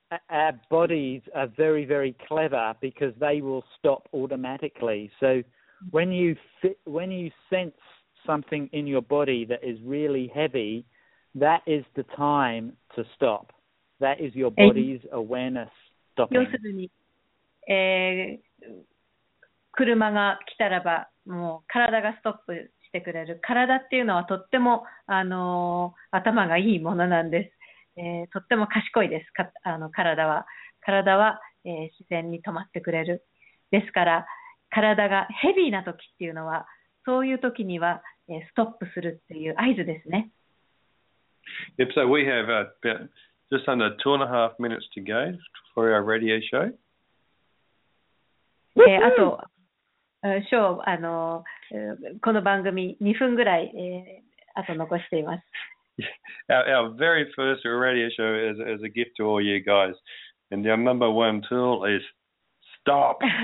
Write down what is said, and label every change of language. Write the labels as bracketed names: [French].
[English] Our bodies are very, very clever because they will stop automatically. So when you sense. Something in your body that is really heavy, that is the time to stop. That is your body's awareness stopping. [Japanese] 要するに、車が来たらば、もう体がストップしてくれる。体っていうのはとっても頭がいいものなんです。とっても賢いです。体は。体は、自然に止まってくれる。ですから、体がヘビーな時っていうのは、そういう時には、ストップするっていう合図ですね。 [English] Yep, so we have about just under 2.5 minutes to go for our radio show. [Japanese] あと、ショー、この番組2分ぐらい、あと残しています。 [English] Our very first radio show is a gift to all you guys. And our number one tool is stop.